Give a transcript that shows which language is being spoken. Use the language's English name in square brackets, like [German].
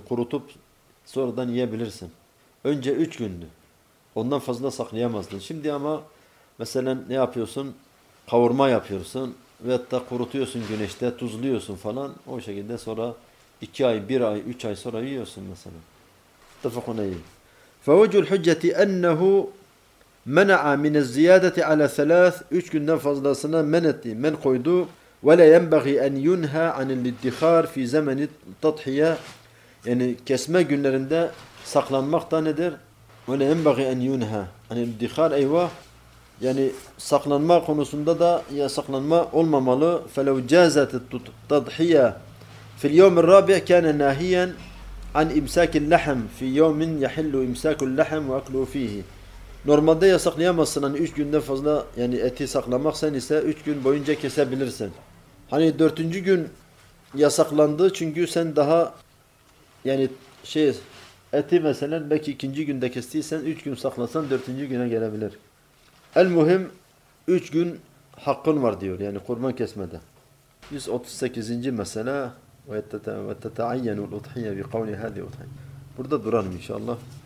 [Turkish] Kurutup sonradan yiyebilirsin. Önce 3 gündü. Ondan fazla saklayamazdın. Şimdi ama mesela ne yapıyorsun? Kavurma yapıyorsun veyahut da kurutuyorsun güneşte, tuzluyorsun falan. O şekilde sonra 2 ay, 1 ay, 3 ay sonra yiyorsun mesela. Muttefakun aleyh. [Arabic] فَوَجُّ الْحُجَّةِ اَنَّهُ مَنَعَ مِنَ الزِّيَادَةِ عَلَى ثَلَاثِ [Turkish] Üç günden fazlasına men etti, men koydu. [Arabic] وَلَا يَنْبَغِي أَنْ يُنْهَا عَنِ الْاِدِّخَارِ فِي زَمَنِ تَضْحِيَةِ [Turkish] Yani kesme günlerinde saklanmak da nedir? [Arabic] وَلَا يَنْبَغِي أَنْ يُنْهَا عَنِ الْاِدِّخَارِ [Turkish] Eyvah! Yani saklanma konusunda da yasaklanma olmamalı. [Arabic] فَلَوْ جَازَتِ التَضْحِيَةِ فِي الْيَوْمِ الرَّابِعِ كَانَ نَاهِيًا عَنْ اِمْسَاكِ اللَّحَمْ فِي يَوْمٍ يَحِلُّ اِمْسَاكُ اللَّحَمْ وَاَكْلُوا ف۪يهِ [Turkish] Normalde yasaklayamazsın. Hani 3 günden fazla yani eti saklamak, sen ise 3 gün boyunca kesebilirsin. Hani 4. gün yasaklandı çünkü sen daha yani şey eti mesela belki 2. günde kestiysen 3 gün saklasan 4. güne gelebilir. El mühim 3 gün hakkın var diyor yani kurban kesmede. 138. mesela [Arabic] وَتَتَعَيَّنُ الْاُضْحِيَّ بِقَوْلِ هَذِي اُضْحِيَّ [Turkish] Burada duralım inşallah.